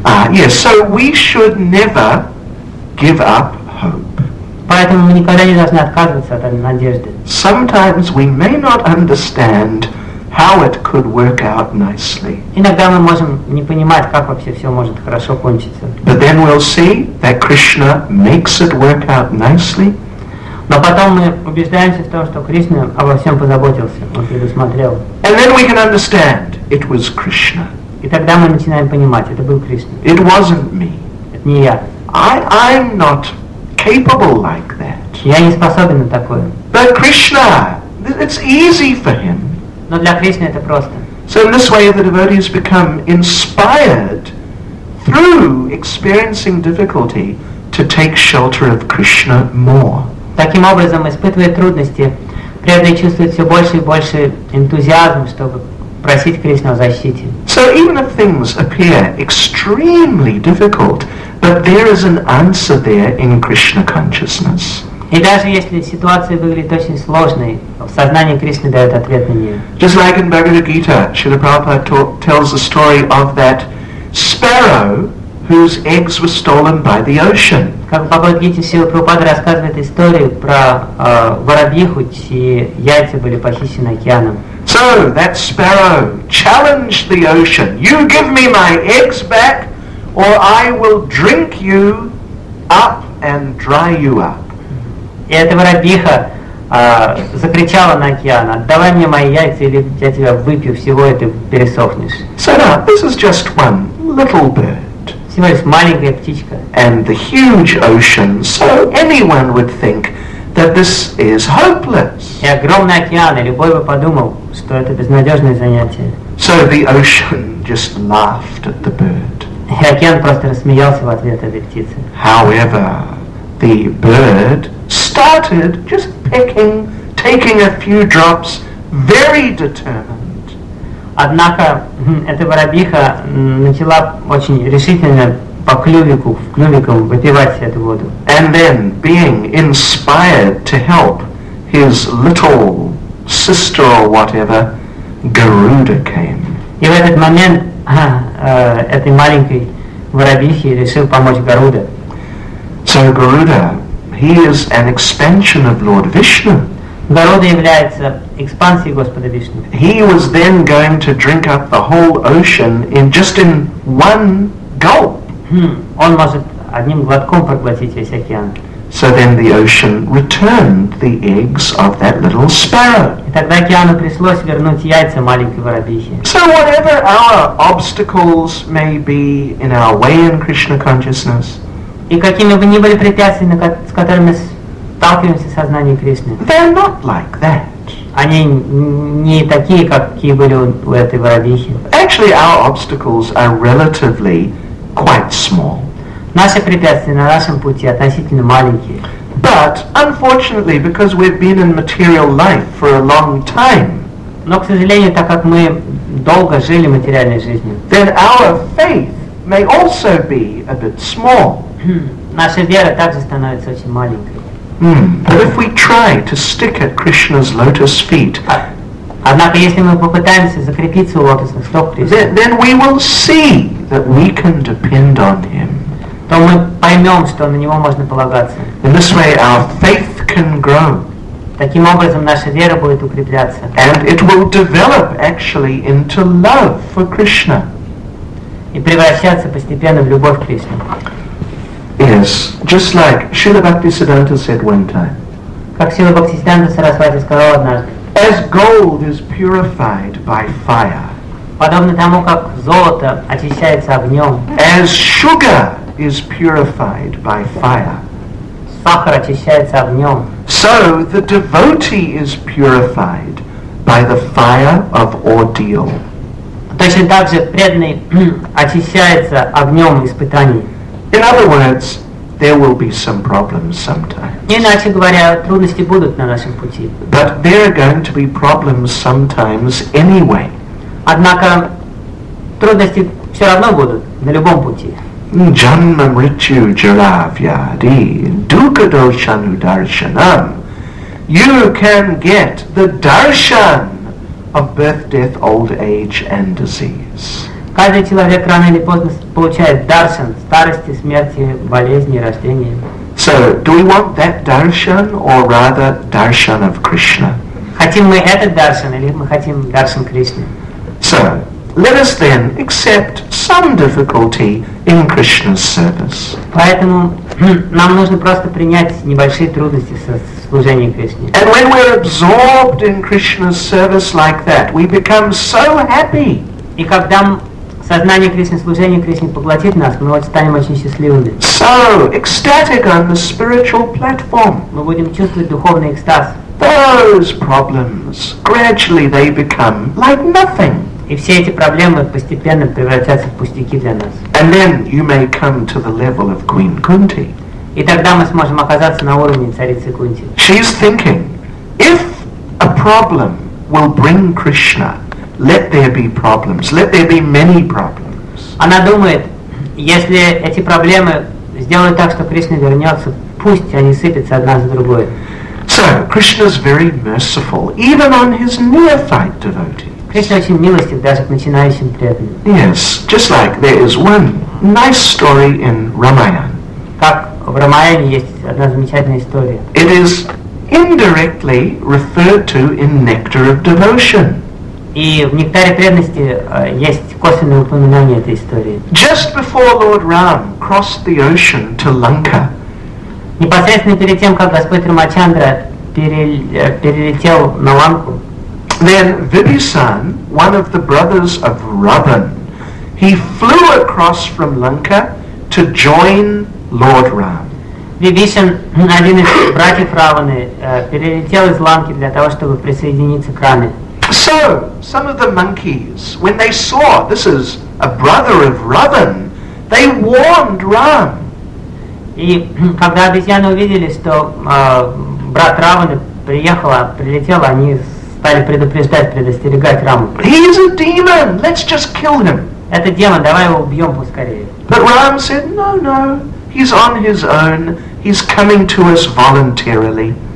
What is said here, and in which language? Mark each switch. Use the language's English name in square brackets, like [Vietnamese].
[English] Yes, so we should never give up hope. [Russian] Поэтому мы никогда не должны отказываться от надежды. [English] Sometimes we may not understand how it could work out nicely. [Russian] Иногда мы можем не понимать, как вообще все может хорошо кончиться. [English] But then we'll see that Krishna makes it work out nicely. [Russian] Но потом мы убеждаемся в том, что Кришна обо всем позаботился, он предусмотрел. [English] And then we can understand it was Krishna. [Russian] И тогда мы начинаем понимать, это был Кришна. [English] It wasn't me. [Russian] Это не я. [English] I'm not capable like that. [Russian] Я не способен на такое. [English] But Krishna, it's easy for him. [Russian] Но для Кришны это просто. [English] So in this way the devotees become inspired through experiencing difficulty to take shelter of Krishna more. [Russian] Таким образом, испытывая трудности, преданные чувствуют все больше и больше энтузиазма, чтобы просить Кришну о защите. [English] So even if things appear extremely difficult, but there is an answer there in Krishna consciousness. [Russian] И даже если ситуация выглядит очень сложной, в сознании Кришны дает ответ на нее. [English] Just like in Bhagavad Gita, Srila Prabhupada tells the story of that sparrow whose eggs were stolen by the ocean. [Russian] Как в Бхагавад-гите Шрила Прабхупада рассказывает историю про воробьиху, чьи яйца были похищены океаном. [English] So that sparrow challenged the ocean. You give me my eggs back, or I will drink you up and dry you up. [Russian] И эта воробьиха закричала на океан: «Отдавай мне мои яйца, или я тебя выпью всего, и ты пересохнешь». [English] So now, this is just one little bird. [Russian] Всего лишь маленькая птичка. [English] And the huge ocean. So anyone would think that this is hopeless. [Russian] И огромный океан, и любой бы подумал, что это безнадежное занятие. [English] So the ocean just laughed at the bird. [Russian] И океан просто рассмеялся в ответ этой птице. [English] However, the bird started just pecking, taking a few drops, very determined. [Russian] Однако эта воробьиха начала очень решительно по клювику, клювиком выпивать эту воду. [English] And then, being inspired to help his little sister or whatever, Garuda came. [Russian] И в этот момент этой маленькой воробьихе решил помочь Гаруда. [English] So Garuda, he is an expansion of Lord Vishnu. [Russian] Garuda является экспансией Господа Вишну. [English] He was then going to drink up the whole ocean in just in one gulp. [Russian] Он может одним глотком проглотить весь океан. [English] So then the ocean returned the eggs of that little sparrow. [Russian] И тогда океану пришлось вернуть яйца маленькой воробьихи. [English] So whatever our obstacles may be in our way in Krishna consciousness. [Russian] И какими бы ни были препятствия, с которыми сталкиваемся в сознании Кришны. [English] They're not like that. [Russian] Они не такие, какие были у этой воробьихи. [English] Actually, our obstacles are relatively quite small. [Russian] Наши препятствия на нашем пути относительно маленькие. [English] But, unfortunately, because we've been in material life for a long time. [Russian] Но, к сожалению, так как мы долго жили материальной жизнью. [English] Then our faith may also be a bit small. [Russian] Наша вера также становится очень маленькой. [English] But if we try to stick at Krishna's lotus feet, [Russian] однако если мы попытаемся закрепиться у лотосных стоп Кришны, [English] then we will see that we can depend on Him. [Russian] То мы поймем, что на Него можно полагаться. [English] In this way, our faith can grow. [Russian] Таким образом, наша вера будет укрепляться. [English] And it will develop actually into love for Krishna. [Russian] И превращаться постепенно в любовь к Кришне. [English] Yes, just like Śrīla Bhaktisiddhanta said one time. [Russian] Как Śrīla Bhaktisiddhanta Sarasvati сказал однажды. [English] As gold is purified by fire. [Russian] Подобно тому, как золото очищается огнем. [English] As sugar is purified by fire. [Russian] Сахар очищается огнем. [English] So the devotee is purified by the fire of ordeal. [Russian] Точно так же преданный очищается огнем испытаний. [English] In other words, there will be some problems sometimes. [Russian] Иначе говоря, трудности будут на нашем пути. [English] But there are going to be problems sometimes anyway. [Russian] Однако трудности все равно будут на любом пути. [Sanskrit] Janma mrityu jara vyadi dukha doshanu darshanam. [English] You can get the darshan of birth, death, old age and disease. [Russian] Каждый человек рано или поздно получает даршан старости, смерти, болезни, рождения. [English] So, do we want that darshan or rather darshan of Krishna? [Russian] Хотим мы этот даршан или мы хотим даршан Кришны? [English] So, let us then accept some difficulty in Krishna's service. [Russian] Поэтому нам нужно просто принять небольшие трудности со служением Кришне. [English] And when we're absorbed in Krishna's service like that, we become so happy. [Russian] И когда сознание Кришны, служение Кришне поглотит нас, мы вот станем очень счастливыми. [English] So ecstatic on the spiritual platform. [Russian] Мы будем чувствовать духовный экстаз. [English] Those problems, gradually they become like nothing. [Russian] И все эти проблемы постепенно превратятся в пустяки для нас. [English] And then you may come to the level of Queen Kunti. [Russian] И тогда мы сможем оказаться на уровне царицы Кунти. [English] She's thinking, if a problem will bring Krishna, let there be problems. Let there be many problems. [Russian] Она думает, если эти проблемы сделают так, что Кришна вернется, пусть они сыпятся одна за другой. [English] So, Krishna is very merciful, even on his neophyte devotees. [Russian] Кришна очень милостив даже к начинающим преданным. [English] Yes, just like there is one nice story in Ramayana. [Russian] Как в Рамаяне есть одна замечательная история. [English] It is indirectly referred to in Nectar of Devotion. [Russian] И в «Нектаре преданности» есть косвенное упоминание этой истории. [English] Just before Lord Ram crossed the ocean to Lanka. [Russian] Непосредственно перед тем, как Господь Рамачандра перелетел на Ланку. [English] Then Vibhishan, one of the brothers of Ravan, he flew across from Lanka to join Lord Ram. [Russian] Вибишан, один из братьев Раваны, перелетел из Ланки для того, чтобы присоединиться к Раме. [English] So, some of the monkeys, when they saw this is a brother of Ravan, they warned Ram. [Russian] И когда обезьяны увидели, что брат Раваны приехал, прилетел, они стали предупреждать, предостерегать Раму. [English] He is a demon, let's just kill him. [Russian] Это демон, давай его убьем поскорее. [English] But Ram said, no, no, he's on his own, he's coming to us voluntarily.